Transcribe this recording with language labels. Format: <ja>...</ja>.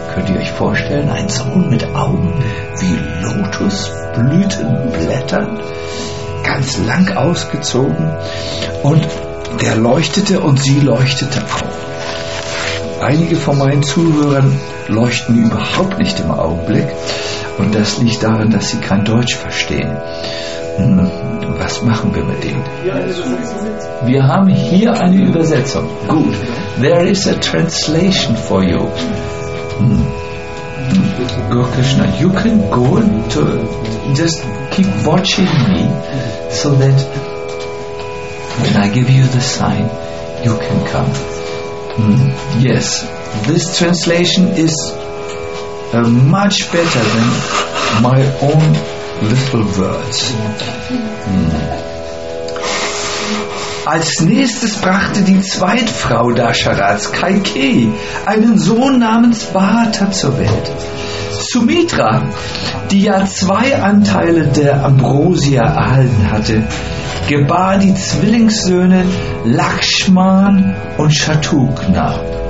<de>Könnt ihr euch vorstellen, ein Sohn mit Augen wie Lotusblütenblättern, ganz lang ausgezogen, und der leuchtete und sie leuchtete auf. Einige von meinen Zuhörern leuchten überhaupt nicht im Augenblick, Und das liegt daran, dass sie kein Deutsch verstehen. Was machen wir mit denen? Wir haben hier eine Übersetzung. Gut.</de> <en>There is a translation for you. Gurkishna, you can go to just keep watching me so that when I give you the sign, you can come. Yes, this translation is much better than my own little words.</en> <de>Als nächstes brachte die Zweitfrau Dasharaths, Kaikeyi, einen Sohn namens Bharata zur Welt. Sumitra, die ja zwei Anteile der Ambrosia erhalten hatte, gebar die Zwillingssöhne Lakshman und Shatrughna.</de>